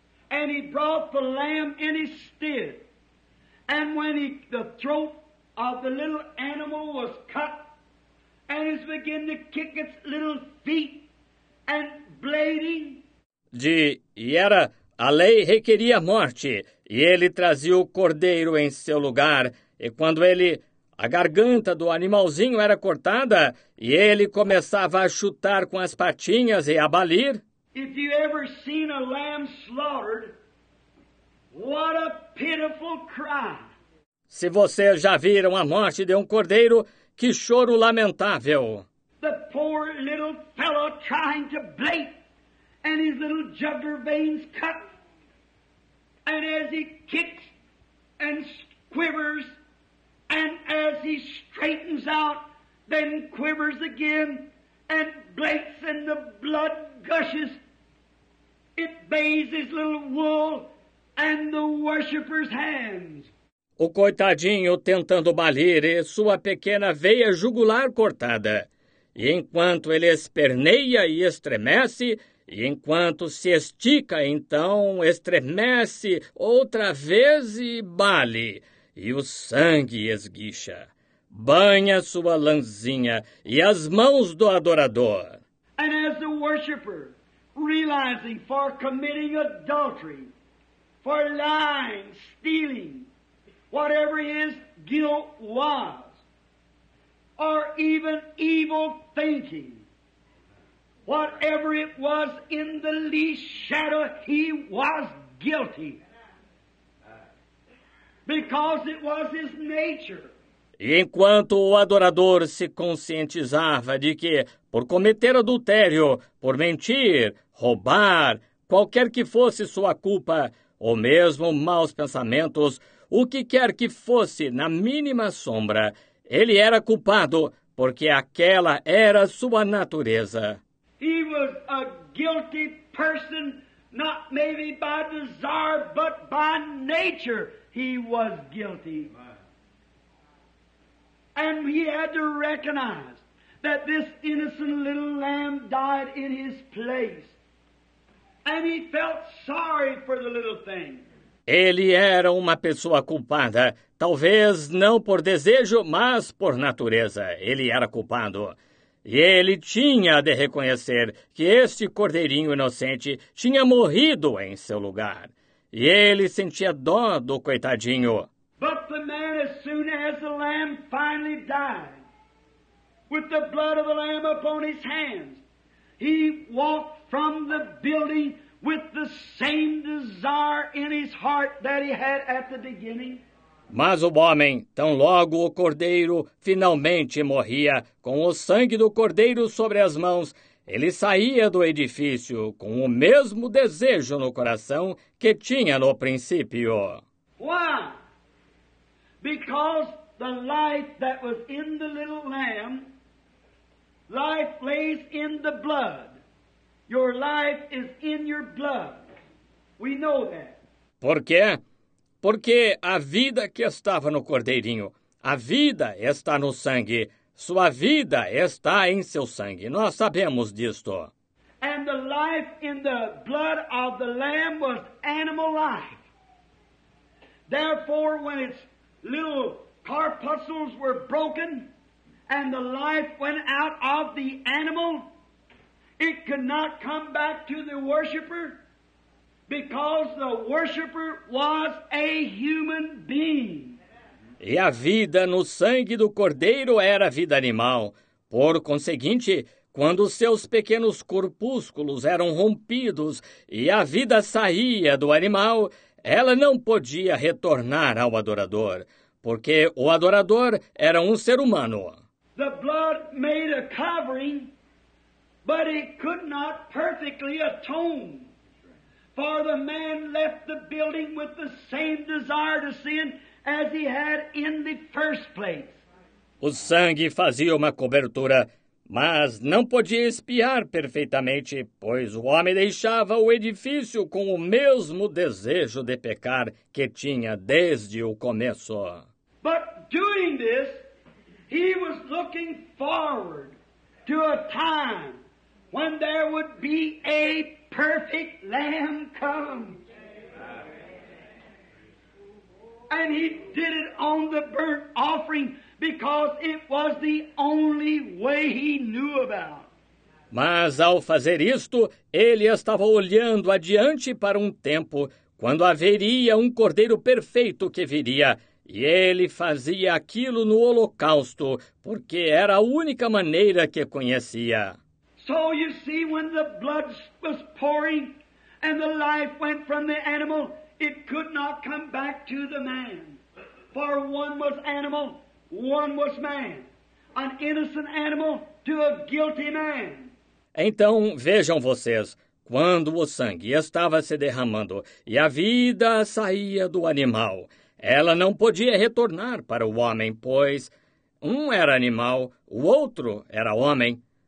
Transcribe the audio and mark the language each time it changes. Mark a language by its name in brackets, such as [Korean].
[English] And he brought the lamb in his stead. And when the throat of the little animal was cut, and it began to kick its little feet and bleeding. [Portuguese] Era a lei requeria morte, e ele trazia o cordeiro em seu lugar, e quando ele a garganta do animalzinho era cortada, e ele começava a chutar com as patinhas e a balir. [English] If you ever seen a lamb slaughtered, what a pitiful cry. [Portuguese] Se vocês já viram a morte de um cordeiro, que choro lamentável. [English] The poor little fellow trying to bleat, and his little jugular veins cut, and as he kicks and quivers, and as he straightens out, then quivers again, and bleats, and the blood gushes. It bathes his little wool and the worshipper's hands. [Portuguese] O coitadinho tentando balir e sua pequena veia jugular cortada. E enquanto ele esperneia e estremece, e enquanto se estica, então estremece outra vez e bale. E o sangue esguicha, banha sua lanzinha e as mãos do adorador. [English] And as the worshipper, realizing for committing adultery, for lying, stealing, whatever his guilt was, or even evil thinking, whatever it was, in the least shadow, he was guilty. Because it was his nature. [Portuguese] E enquanto o adorador se conscientizava de que, por cometer adultério, por mentir, roubar, qualquer que fosse sua culpa, ou mesmo maus pensamentos, o que quer que fosse na mínima sombra, ele era culpado, porque aquela era sua natureza. [English] He was a guilty person, not maybe by desire, but by nature. He was guilty. And he had to recognize that this innocent little lamb died in his place. And he felt sorry for the little thing. [Portuguese] Ele era uma pessoa culpada, talvez não por desejo, mas por natureza. Ele era culpado. E ele tinha de reconhecer que este cordeirinho inocente tinha morrido em seu lugar. E ele sentia dó do coitadinho. [English] But the man, as soon as the lamb finally died, with the blood of the lamb upon his hands, he walked from the building with the same desire in his heart that he had at the beginning. [Portuguese] Mas o homem, tão logo o cordeiro finalmente morria, com o sangue do cordeiro sobre as mãos, ele saía do edifício com o mesmo desejo no coração que tinha no princípio. [English] Why? Because the life that was in the little lamb, life lays in the blood. Your life is in your blood. We know that. [Portuguese] Por quê? Porque a vida que estava no cordeirinho, a vida está no sangue. Sua vida está em seu sangue. Nós sabemos disto. [English] And the life in the blood of the lamb was animal life. Therefore, when its little corpuscles were broken and the life went out of the animal, it could not come back to the worshipper, because the worshipper was a human being. [Portuguese] E a vida no sangue do cordeiro era vida animal. Por conseguinte, quando seus pequenos corpúsculos eram rompidos e a vida saía do animal, ela não podia retornar ao adorador, porque o adorador era um ser humano. [English] The blood made a covering, but it could not perfectly atone. For the man left the building with the same desire to sin as he had in the first place. [Portuguese] O sangue fazia uma cobertura, mas não podia espiar perfeitamente, pois o homem deixava o edifício com o mesmo desejo de pecar que tinha desde o começo. [English] But doing this, he was looking forward to a time when there would be a perfect lamb come. And he did it on the burnt offering because it was the only way he knew about. [Portuguese] Mas ao fazer isto, ele estava olhando adiante para um tempo quando haveria um cordeiro perfeito que viria. E ele fazia aquilo no holocausto, porque era a única maneira que conhecia. [English] So you see, when the blood was pouring and the life went from the animal, it could not come back to the man. For one was animal, one was man. An innocent animal to a guilty man. [Portuguese] Então, vejam vocês, quando o sangue estava se derramando e a vida saía do animal, ela não podia retornar para o homem, pois um era animal, o outro era homem.